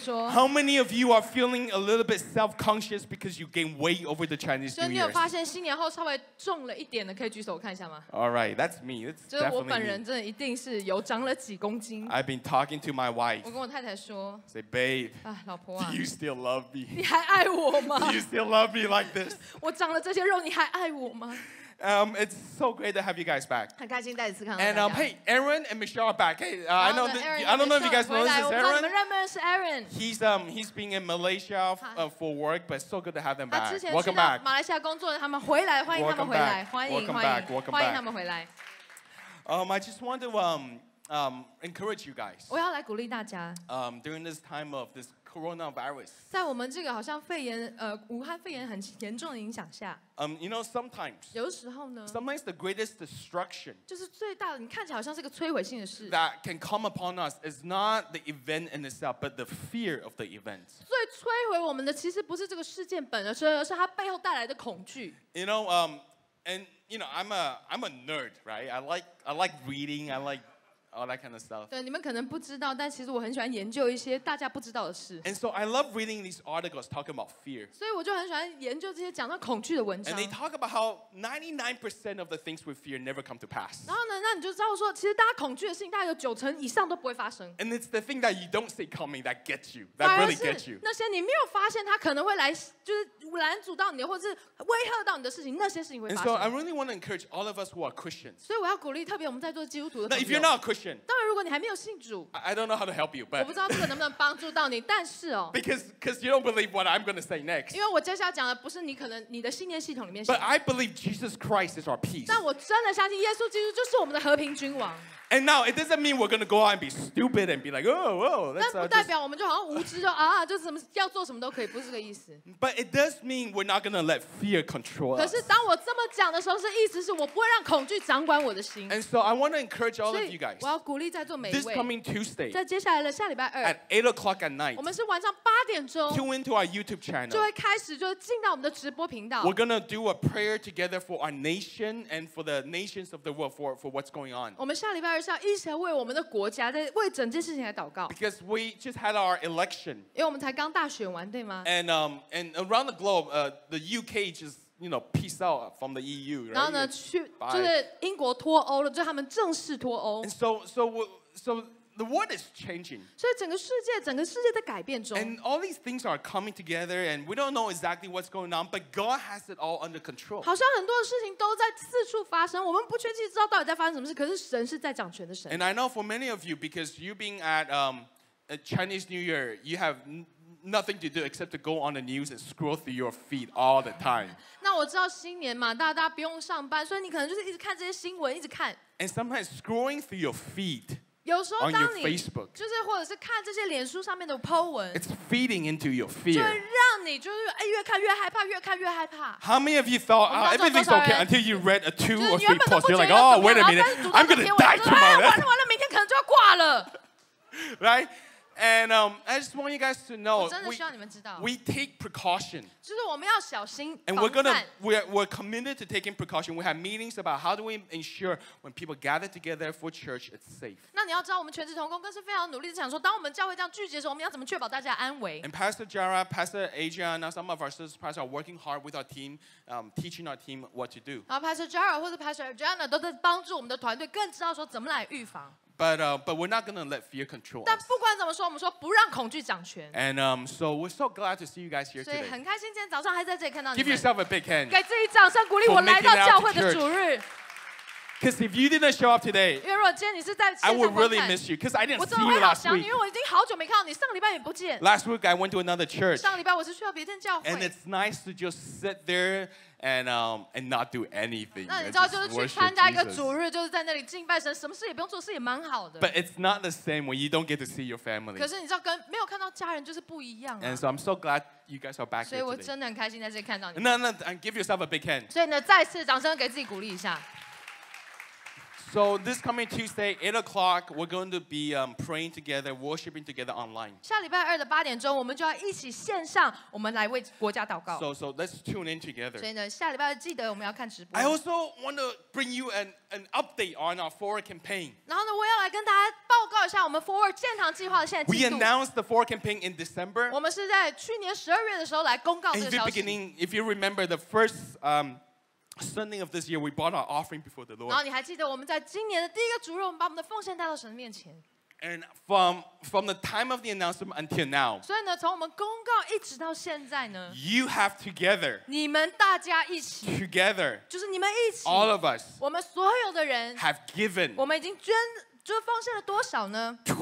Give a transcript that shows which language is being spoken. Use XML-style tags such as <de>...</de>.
<en>How many of you are feeling a little bit self-conscious because you gained weight over the Chinese New Year?</en> <zh>就你有发现新年后稍微重了一点的，可以举手我看一下吗</zh> <en>？All right, that's me. That's definitely me.</en> <zh>就是我本人真的一定是有长了几公斤。</zh> <en>I've been talking to my wife.</en> <zh>我跟我太太说。</zh> <en>Say, babe.</en> <zh>老婆啊。</zh> <en>Do you still love me?</en> <zh>你还爱我吗</zh> <en>？Do you still love me like this?</en> <zh>我长了这些肉，你还爱我吗？</zh> <en>It's so great to have you guys back.</en> <zh>很开心再一次看到</zh> <en>大家。And hey, Aaron and Michelle are back. Hey, I know the, Aaron, I don't know if you guys know this. Aaron,</en> <zh>我们认不认识 Aaron?</zh> <en>He's been in Malaysia for work, but so good to have them back.</en> <zh>他之前去到马来西亚工作，他们回来，欢迎他们回来，欢迎欢迎他们回来。</zh> <en>I just want to encourage you guys.</en> <zh>我要来鼓励大家。</zh> <en>During this time of this coronavirus,</en> <zh>在我们这个好像肺炎武汉肺炎很严重的影响下。</zh> <en>You know, sometimes.</en> <zh>有时候呢。</zh> <en>Sometimes the greatest destruction.</en> <zh>就是最大的，你看起来好像是个摧毁性的事。</zh> <en>That can come upon us is not the event in itself, but the fear of the event.</en> <zh>最摧毁我们的其实不是这个事件本身，而是它背后带来的恐惧。</zh> <en>You know, and you know, I'm a nerd, right? I like reading. I like all that kind of stuff.</en> <zh>对，你们可能不知道，但其实我很喜欢研究一些大家不知道的事。</zh> <en>And so I love reading these articles talking about fear.</en> <zh>所以我就很喜欢研究这些讲到恐惧的文章。</zh> <en>And they talk about how 99% of the things we fear never come to pass.</en> <zh>然后呢，那你就知道说，其实大家恐惧的事情，大概有九成以上都不会发生。</zh> <en>And it's the thing that you don't see coming that gets you, that really gets you.</en> <zh>那些你没有发现它可能会来，就是拦阻到你，或者是威吓到你的事情，那些事情会发生。</zh> <en>And so I really want to encourage all of us who are Christians.</en> <zh>所以我要鼓励，特别我们在座基督徒的朋</zh> <en>友。Now if you're not a Christian.</en> <zh>当然，如果你还没有信主</zh> <en>，I don't know how to help you, but</en> <zh>我不知道这个能不能帮助到你。但是哦</zh> <en>，because you don't believe what I'm going to say next.</en> <zh>因为我接下来讲的不是你可能你的信念系统里面。</zh> <en>But I believe Jesus Christ is our peace.</en> <zh>但我真的相信耶稣基督就是我们的和平君王。</zh> <en>And now it doesn't mean we're going to go out and be stupid and be like, oh, whoa.</en> <zh>但不代表我们就好像无知就啊，就什么要做什么都可以，不是这个意思。</zh> <en>But it does mean we're not going to let fear control us.</en> <zh>可是当我这么讲的时候，是意思是我不会让恐惧掌管我的心。</zh> <en>And so I want to encourage all of you guys.</en> <zh>我要鼓励在座每一位。</zh> <en>This coming Tuesday.</en> <zh>在接下来的下礼拜二。</zh> <en>At 8 o'clock at night.</en> <zh>我们是晚上八点钟。</zh> <en>Tune into our YouTube channel.</en> <zh>就会开始就进到我们的直播频道。</zh> <en>We're going to do a prayer together for our nation and for the nations of the world for what's going on.</en> <zh>我们下礼拜二。要一起来为我们的国家，在为整件事情来祷告。</zh> <en>Because we just had our election.</en> <zh>因为我们才刚大选完，对吗</zh> <en>？And around the globe, the UK just you know peace out from the EU.、Right?</en> <zh>然后呢，去就是英国脱欧了，就他们正式脱欧。</zh> <en>And so the world is changing.</en> <zh>所以整个世界在改变中。</zh> <en>And all these things are coming together, and we don't know exactly what's going on, but God has it all under control.</en> <zh>好像很多的事情都在四处发生，我们不确切知道到底在发生什么事，可是神是在掌权的神。</zh> <en>And I know for many of you, because you've been at Chinese New Year, you have nothing to do except to go on the news and scroll through your feed all the time.</en> <zh>那我知道新年嘛，大家不用上班，所以你可能就是一直看这些新闻，一直看。</zh> <en>And sometimes scrolling through your feed.</en> <zh>有时候当你</zh> <en>on your Facebook,</en> <zh>就是或者是看这些脸书上面的 po 文</zh> <en>it's feeding into your fear.</en> <zh>就让你就是越看越害怕，越看越害怕。</zh> <en>How many of you thought everything's okay until you read a two or three posts? You're like, oh, wait a minute, I'm gonna die tomorrow.</en> <zh>完了完了，明天可能就要挂了。</zh> <en>Right? And I just want you guys to know,</en> <zh>我真的需要你们知道</zh> <en>we take precaution.</en> <zh>就是我们要小心防范。</zh> <en>And we're committed to taking precaution. We have meetings about how do we ensure when people gather together for church, it's safe.</en> <zh>那你要知道，我们全职同工更是非常努力地想说，当我们教会这样聚集的时候，我们要怎么确保大家安危</zh> <en>？And Pastor Jara, Pastor Adrian, and some of our sisters, Pastor are working hard with our team, teaching our team what to do.</en> <zh>然后 Pastor Jara 或者 Pastor Adrian 都在帮助我们的团队，更知道说怎么来预防。</zh> <en>But we're not going to let fear control us.</en> <zh>但不管怎么说，我们说不让恐惧掌权。</zh> <en>And so we're so glad to see you guys here today.</en> <zh>所以很开心今天早上还在这里看到你们。</zh> <en>Give yourself a big hand.</en> <zh>给自己掌声鼓励，我来到教会的主日。</zh> <en>Because if you didn't show up today,</en> <zh>因为如果今天你是在现场观看</zh> <en>I would really miss you because I didn't see you last week.</en> <zh>因为我已经好久没看到你，上礼拜也不见。</zh> <en>Last week I went to another church.</en> <zh>上礼拜我是去了别间教会。</zh> <en>And it's nice to just sit there and not do anything.</en> <zh>那你知道就是去参加一个主日，就是在那里敬拜神，什么事也不用做，是也蛮好的。</zh> <en>But it's not the same when you don't get to see your family.</en> <zh>可是你知道跟没有看到家人就是不一样。</zh> <en>And so I'm so glad you guys are back here.</en> <zh>所以我真的很开心在这里看到你。</zh> <en>No, and give yourself a big hand.</en> <zh>所以呢，再次掌声给自己鼓励一下。</zh> <en>So this coming Tuesday, 8 o'clock, we're going to be praying together, worshiping together online.</en> <zh>下礼拜二的八点钟，我们就要一起线上，我们来为国家祷告。</zh> <en>So let's tune in together.</en> <zh>所以呢，下礼拜记得我们要看直播。</zh> <en>I also want to bring you an update on our Forward campaign.</en> <zh>然后呢，我要来跟大家报告一下我们 Forward 建堂计划的现在进</zh> <en>度。We announced the Forward campaign in December.</en> <zh>我们是在去年十二月的时候来公告这个消息。</zh> <en>In the beginning, if you remember the first Sunday of this year, we brought our offering before the Lord.</en> <zh>然后你还记得我们在今年的第一个主日，我们把我们的奉献带到神面前。</zh> <en>And from the time of the announcement until now,</en> <zh>所以呢，从我们公告一直到现在呢</zh> <en>，You have together,</en> <zh>你们大家一起</zh> <en>together,</en> <zh>就是你们一起</zh> <en>all of us,</en> <zh>我们所有的人</zh> <en>have given,</en> <zh>我们已经捐，就是奉献了多少呢</zh>